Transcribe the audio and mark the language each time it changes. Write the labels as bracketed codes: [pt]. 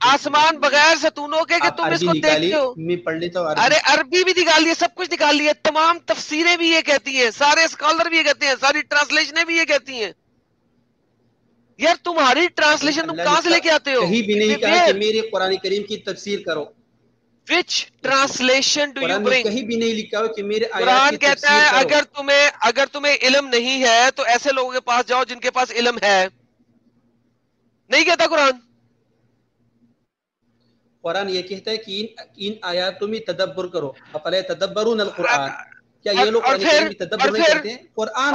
[ur] آسمان بغیر ستونوں کے کہ تم اس کو دیکھتے ہو. میں پڑھ لیتا ہوں. ارے عربی بھی نکال لیے سب کچھ نکال لیے, تمام تفسیریں بھی یہ کہتی ہیں, سارے اسکالر بھی یہ کہتے ہیں, ساری ٹرانسلیشنیں بھی یہ کہتی ہیں. یار تمہاری ٹرانسلیشن تم کہاں سے لے کے آتے ہو؟ کہیں بھی نہیں کہا کہ میرے قرآن کریم کی تفسیر کرو. [en] Which translation do you bring? [ur] کہیں بھی نہیں لکھا ہو کہ میرے آیات کی تفسیر کرو. قرآن کہتا ہے اگر تمہیں علم نہیں ہے تو ایسے لوگوں کے پاس جاؤ جن کے پاس علم ہے, نہیں کہتا قرآن. قرآن یہ کہتا ہے کہ ان آیات تم ہی تدبر کرو. [ar] اپلے تدبرون القرآن, [ur] کیا یہ لوگ قرآن کریم کی تدبر نہیں کرتے؟ قرآن